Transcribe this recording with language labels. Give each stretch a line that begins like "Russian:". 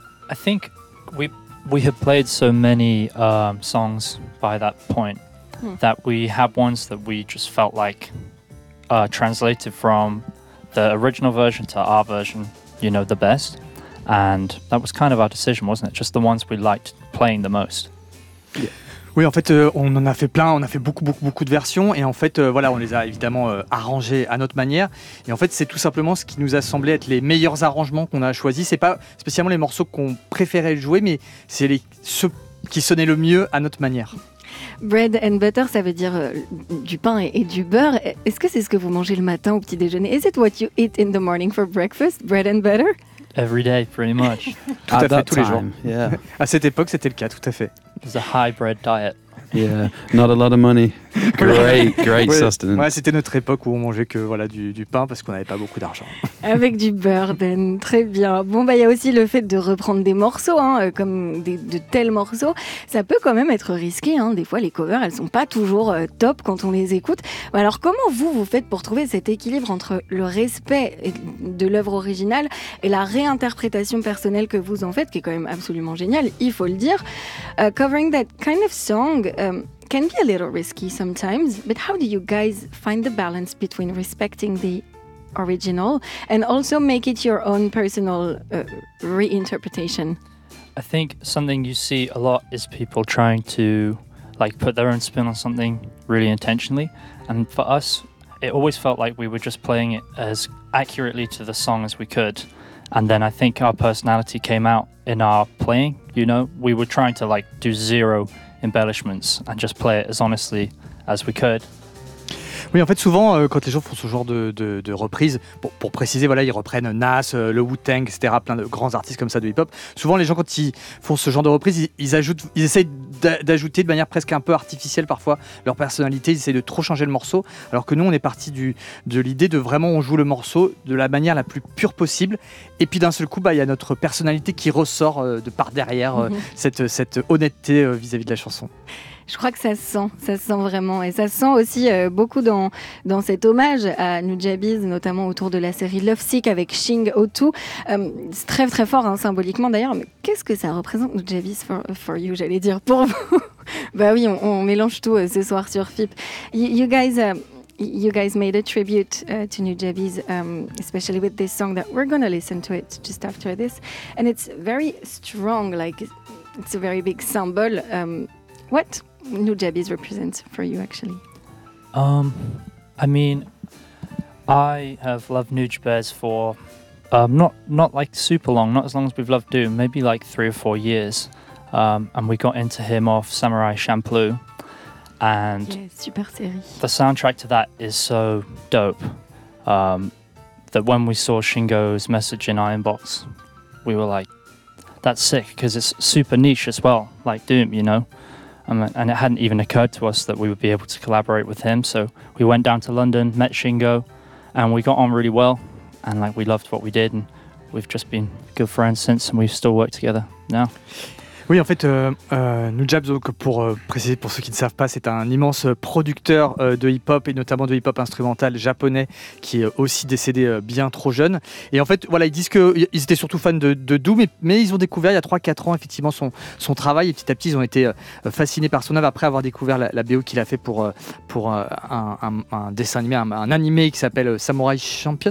English: I think we have played so many songs by that point that we have ones that we just felt like translated from the original version to our version. You know, the best. And that was kind of our decision, wasn't it? Just the ones we liked playing the most.
French: Oui, en fait, on en a fait plein, on a fait beaucoup, beaucoup, beaucoup de versions, et en fait, voilà, on les a évidemment arrangés à notre manière. Et en fait, c'est tout simplement ce qui nous a semblé être les meilleurs arrangements qu'on a choisis. C'est pas spécialement les morceaux qu'on préférait jouer, mais c'est ceux qui sonnaient le mieux à notre manière. Bread and butter, ça veut dire du pain et du beurre. Est-ce que c'est ce que vous mangez le matin au petit déjeuner?
English: Is it what you eat in the morning for breakfast? Bread and butter? Every day, pretty much.
French: Tout à fait, tous les jours. À cette époque, c'était le cas, tout à fait.
English: It's a high bread diet. Yeah, not a lot of money. Great sustenance.
French: Ouais, c'était notre époque où on mangeait que voilà du pain parce qu'on n'avait pas beaucoup d'argent. Avec du beurre, Ben, très bien. Bon, bah, y a aussi le fait de reprendre des morceaux, hein, comme de tels morceaux. Ça peut quand même être risqué, hein. Des fois, les covers, elles sont pas toujours top quand on les écoute. Mais alors, comment vous faites pour trouver cet équilibre entre le respect de l'œuvre originale et la réinterprétation personnelle que vous en faites, qui est quand même absolument géniale, il faut le dire.
English: Covering that kind of song. Can be a little risky sometimes, but how do you guys find the balance between respecting the original and also make it your own personal reinterpretation? I think something you see a lot is people trying to like put their own spin on something really intentionally. And for us, it always felt like we were just playing it as accurately to the song as we could. And then I think our personality came out in our playing, you know? We were trying to like do zero embellishments and just play it as honestly as we could.
French: Oui, en fait, souvent, quand les gens font ce genre de reprises, pour préciser, voilà, ils reprennent Nas, le Wu-Tang, etc., plein de grands artistes comme ça de hip-hop. Souvent, les gens, quand ils font ce genre de reprises, ils essayent d'ajouter de manière presque un peu artificielle, parfois, leur personnalité, ils essayent de trop changer le morceau, alors que nous, on est parti de l'idée de vraiment, on joue le morceau de la manière la plus pure possible, et puis d'un seul coup, bah, y a notre personnalité qui ressort de par derrière cette honnêteté vis-à-vis de la chanson. Je crois que ça se sent vraiment. Et ça se sent aussi beaucoup dans cet hommage à Nujabes, notamment autour de la série Lovesick avec Shing Otu. C'est très très fort, hein, symboliquement d'ailleurs. Mais qu'est-ce que ça représente, Nujabes,
English: for you,
French: j'allais dire, pour vous? Bah oui, on mélange tout ce soir sur FIP.
English: You guys made a tribute to Nujabes, especially with this song that we're going to listen to it just after this. And it's very strong, like it's a very big symbol. What Nujabes represent for you, actually? I mean, I have loved Nujabes for not like super long, not as long as we've loved Doom, maybe like 3 or 4 years. And we got into him off Samurai Champloo. And
French: yeah, super série.
English: The soundtrack to that is so dope. That when we saw Shingo's message in Iron Box, we were like, that's sick, because it's super niche as well, like Doom, you know? And it hadn't even occurred to us that we would be able to collaborate with him. So we went down to London, met Shingo, and we got on really well. And like, we loved what we did, and we've just been good friends since, and we've still worked together now.
French: Oui, en fait, Nujabes, donc pour préciser pour ceux qui ne savent pas, c'est un immense producteur de hip-hop et notamment de hip-hop instrumental japonais qui est aussi décédé bien trop jeune. Et en fait, voilà, ils disent qu'ils étaient surtout fans de Doom, mais ils ont découvert il y a 3-4 ans effectivement son travail et petit à petit, ils ont été fascinés par son œuvre après avoir découvert la BO qu'il a fait pour un dessin animé, un animé qui s'appelle Samurai Champion.